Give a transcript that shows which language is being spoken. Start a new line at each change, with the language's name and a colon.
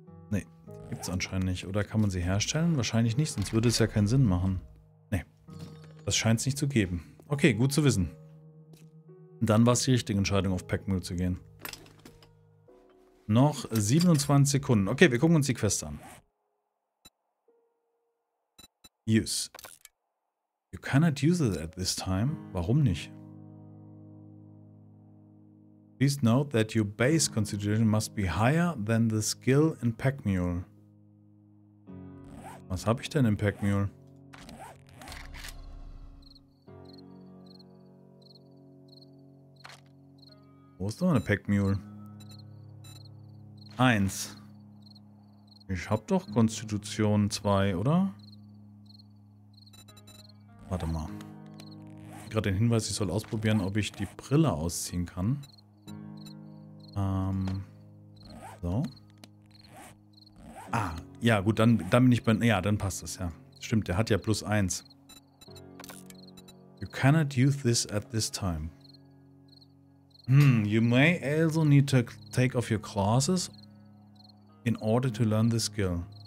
German: Nee, gibt es anscheinend nicht. Oder kann man sie herstellen? Wahrscheinlich nicht, sonst würde es ja keinen Sinn machen. Nee, das scheint es nicht zu geben. Okay, gut zu wissen. Dann war es die richtige Entscheidung, auf Packmill zu gehen. Noch 27 Sekunden. Okay, wir gucken uns die Quest an.
English: Use. You cannot use it at this time.
German: Warum nicht?
English: Please note that your base constitution must be higher than the skill in Packmule.
German: Was habe ich denn in Packmule? Wo ist noch eine Packmule? 1. Ich habe doch Konstitution 2, oder? Warte mal. Gerade den Hinweis, ich soll ausprobieren, ob ich die Brille ausziehen kann. So. Ah, ja, gut, dann bin ich bei. Ja, dann passt das, ja. Stimmt, der hat ja plus 1.
English: You cannot use this at this time. You may also need to take off your glasses in order to learn the skill.